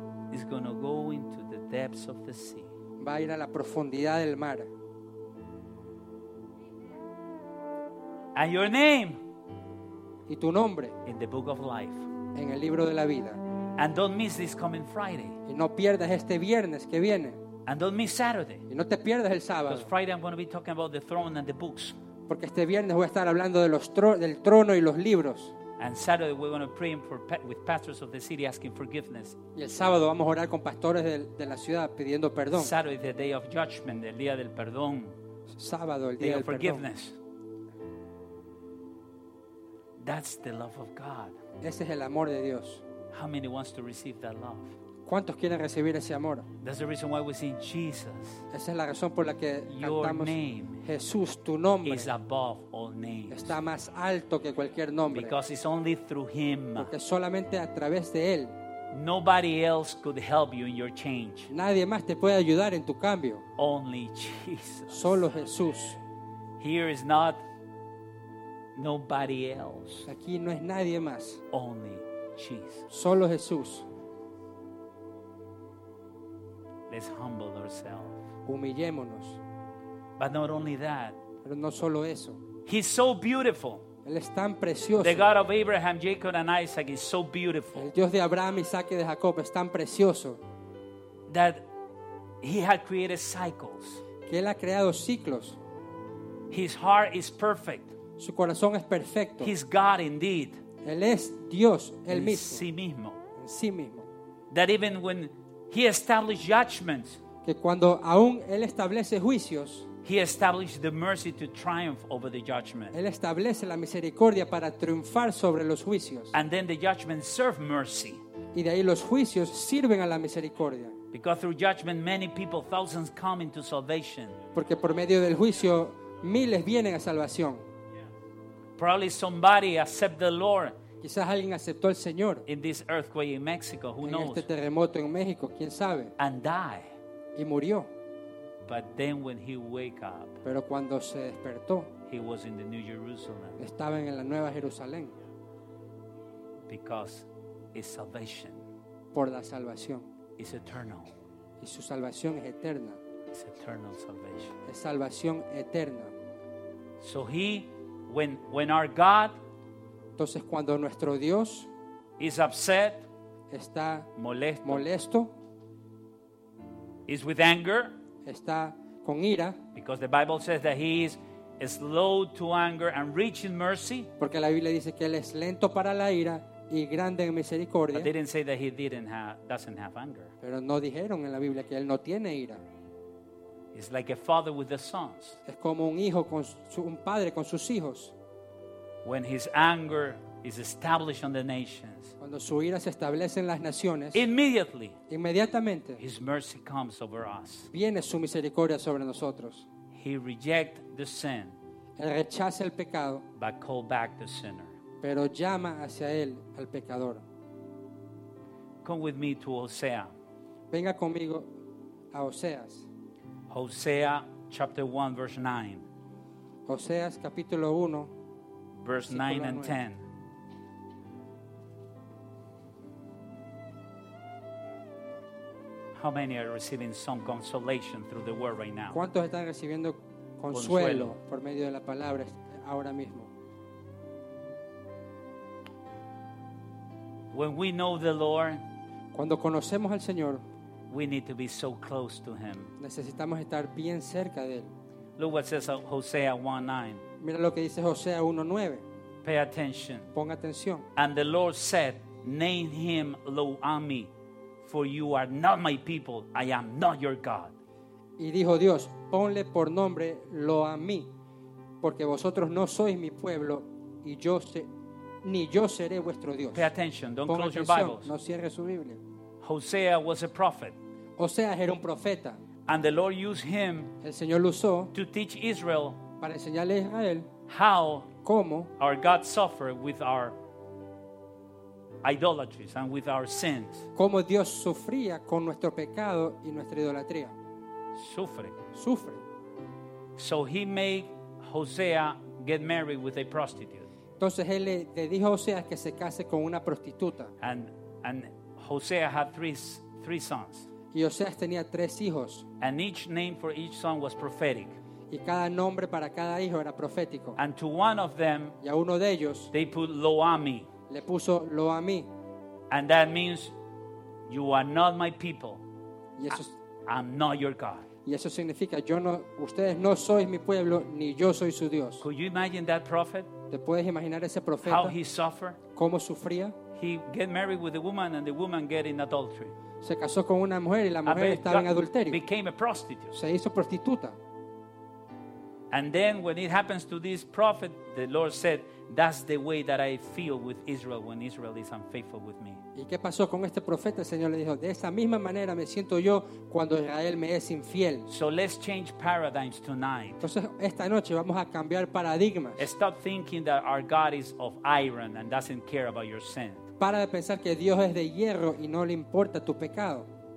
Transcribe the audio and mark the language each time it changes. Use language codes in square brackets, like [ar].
[en] Is going to go into the depths of the sea. [es] Va a ir a la profundidad del mar. [en] And your name. [es] Y tu nombre. [en] In the book of life. [es] En el libro de la vida. [en] And don't miss this coming Friday. [es] Y no pierdas este viernes que viene. [en] And don't miss Saturday. [es] Y no te pierdas el sábado. [en] Because Friday I'm going to be talking about the throne and the books. [es] Porque este viernes voy a estar hablando de del trono y los libros. [en] And Saturday we're going to pray with pastors of the city asking forgiveness. [es] Y el sábado vamos a orar con pastores de la ciudad pidiendo perdón. [en] Saturday is the day of judgment, [es] el día del perdón. Sábado, el día [en] day of forgiveness. [es] Perdón. [en] That's the love of God. [es] Ese es el amor de Dios. [en] How many wants to receive that love? [es] ¿Cuántos quieren recibir ese amor? [en] That's the reason why we sing Jesus. [es] Esa es la razón por la que [en] Your [es] cantamos [en] name [es] Jesús, tu nombre. [en] Is above all names. [es] Está más alto que cualquier nombre. [en] Because it's only through him. [es] Porque solamente a través de él. [en] Nobody else could help you in your change. [es] Nadie más te puede ayudar en tu cambio. [en] Only Jesus. [es] Solo Jesús. [en] Here is not nobody else. [es] Aquí no es nadie más. [en] Only Jesus. [es] Solo Jesús. [en] Let's humble ourselves. [es] Humillémonos. [en] But not only that. [es] Pero no solo eso. [en] He's so beautiful. [es] Él es tan precioso. [en] The God of Abraham, Jacob, and Isaac is so beautiful. [es] El Dios de Abraham, Isaac y de Jacob es tan precioso. [en] That he had created cycles. [es] Que él ha creado ciclos. [en] His heart is perfect. [es] Su corazón es perfecto. [en] He's God indeed. [es] Él es Dios, él mismo. En sí mismo. En sí mismo. [en] That even when he established judgments. [es] Que cuando aún él establece juicios. [en] He established the mercy to triumph over the judgment. [es] Él establece la misericordia para triunfar sobre los juicios. [en] And then the judgment serve mercy. [es] Y de ahí los juicios sirven a la misericordia. [en] Because through judgment many people, thousands come into salvation. [es] Porque por medio del juicio miles vienen a salvación. [en] Probably somebody accepted the Lord. [es] Quizás alguien aceptó al Señor. [en] In this earthquake in Mexico, who knows? [es] En este terremoto en México, quién sabe. [en] And die. [es] Y murió. [en] But then when he wake up, [es] pero cuando se despertó, [en] he was in the New Jerusalem. [es] Estaba en la Nueva Jerusalén. [en] Because his salvation, [es] por la salvación, [en] is eternal. [es] Y su salvación es eterna. [en] It's eternal salvation. [es] Es salvación eterna. [en] So he, when our God, [es] entonces cuando nuestro Dios, [en] is upset, [es] está [en] molesto, is with anger. [es] Está con ira. [en] Because the Bible says that he is slow to anger and rich in mercy. [es] Porque la Biblia dice que él es lento para la ira y grande en misericordia. [en] But they didn't say that he doesn't have anger. [es] Pero no dijeron en la Biblia que él no tiene ira. [en] It's like a father with the sons. [es] Es como un hijo con un padre con sus hijos. [en] When his anger is established on the nations. [es] Cuando su ira se establece en las naciones. [en] Immediately. [es] Inmediatamente. [en] His mercy comes over us. [es] Viene su misericordia sobre nosotros. [en] He reject the sin. [es] Él rechaza el pecado. [en] But call back the sinner. [es] Pero llama hacia él al pecador. [en] Come with me to Hosea. [es] Venga conmigo a Oseas. [en] Hosea chapter 1 verse 9. [es] Oseas capítulo 1 [en] verse 9 and 10. How many are receiving some consolation through the word right now? [es] ¿Cuántos están recibiendo consuelo por medio de la palabra ahora mismo? [en] When we know the Lord, [es] cuando conocemos al Señor, [en] we need to be so close to him. [es] Necesitamos estar bien cerca de él. [en] Look what says Hosea 1:9. [es] Mira lo que dice Hosea 1:9. [en] Pay attention. [es] Ponga atención. [en] And the Lord said, "Name him Lo-ami. For you are not my people, I am not your God." [es] Y dijo Dios, ponle por nombre lo a mí, porque vosotros no sois mi pueblo, y yo ni yo seré vuestro Dios. [en] Pay attention, don't [es] Pon [en] close [es] atención, [en] your Bibles. [es] No cierre su Biblia. [en] Hosea was a prophet. [es] Oseas era un profeta. [en] And the Lord used him, [es] el Señor lo usó, [en] to teach Israel, [es] para enseñarle a Israel, [en] how [es] cómo [en] our God suffered with our idolatries and with our sins. [es] Como Dios sufría con nuestro pecado y nuestra idolatría. Sufre. Sufre. [en] So he made Hosea get married with a prostitute. [es] Entonces él le dijo a Hosea que se case con una prostituta. [en] And Hosea had three sons. [es] Y Hosea tenía tres hijos. [en] And each name for each son was prophetic. [es] Y cada nombre para cada hijo era profético. [en] And to one of them, [es] y a uno de ellos, [en] they put Lo-ami. [es] Le puso lo a mí. [en] And that means you are not my people. [es] Y eso, [en] I'm not your God. [es] Y eso significa yo no, ustedes no sois mi pueblo ni yo soy su Dios. [en] Could you imagine that prophet? [es] ¿Te puedes imaginar ese profeta? [en] How he suffered? [es] ¿Cómo sufría? [en] He get married with a woman and the woman get in adultery. [es] Se casó con una mujer y la mujer estaba en adulterio. [en] Became a prostitute. [es] Se hizo prostituta. [en] And then when it happens to this prophet, the Lord said, that's the way that I feel with Israel when Israel is unfaithful with me. [es] ¿Y qué pasó con este profeta? El Señor le dijo, de esa misma manera me siento yo cuando Israel me es infiel. [en] So let's change paradigms tonight. [es] Entonces esta noche vamos a cambiar paradigmas. [en] Stop thinking that our God is of iron and doesn't care about your sin. [es] Para de pensar que Dios es de hierro y no le importa tu pecado.